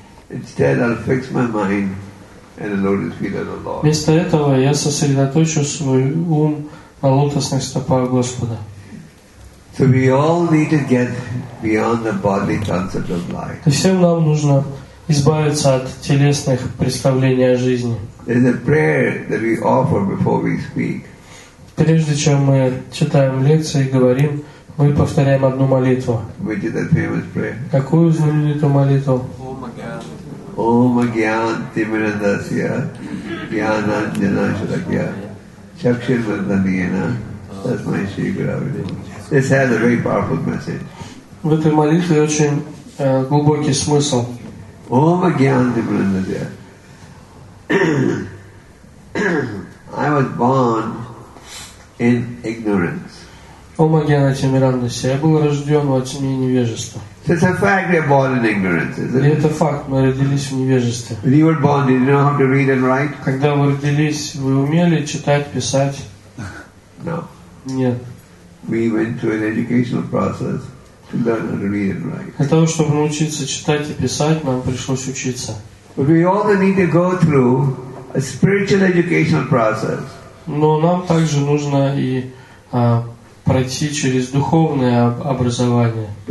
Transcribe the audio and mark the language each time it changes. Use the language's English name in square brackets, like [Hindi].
[English] Instead, I'll fix my mind and the lotus feet of the Lord. [Russian] Вместо этого я сосредоточу свой ум на лотосных стопах Господа. [English] So we all need to get beyond the bodily concept of life. [Russian] То всем нам нужно избавиться от телесных представлений о жизни. [English] There's a prayer that we offer before we speak. [Russian] Прежде чем мы читаем лекции и говорим, мы повторяем одну молитву. [English] Which is that famous prayer? [Russian] Какую знаменитую молитву? [Sanskrit] Ом агьян тимирандасья гьянанджана шалакья чакширвардханьена тасмай шри гуравиде. [English] This has a very powerful message. [Russian] В этой молитве очень глубокий смысл. [Sanskrit] Ом агьян тимирандасья. [English] I was born in ignorance. [Sanskrit] О Магьяна Тимирандасе, [Russian] я был рожден во тьме невежества. [English] It's a fact we are born in ignorance, isn't it? [Russian] Это факт, мы родились в невежестве. [English] When you were born, did you know how to read and write? [Russian] Когда вы родились, вы умели читать, писать? [English] No. [Russian] Нет. [English] We went through an educational process to learn how to read and write. [Russian] Для того, чтобы научиться читать и писать, нам пришлось учиться. [English] But we also need to go through a spiritual educational process. [Russian] Но нам также нужно и пройти через духовное образование.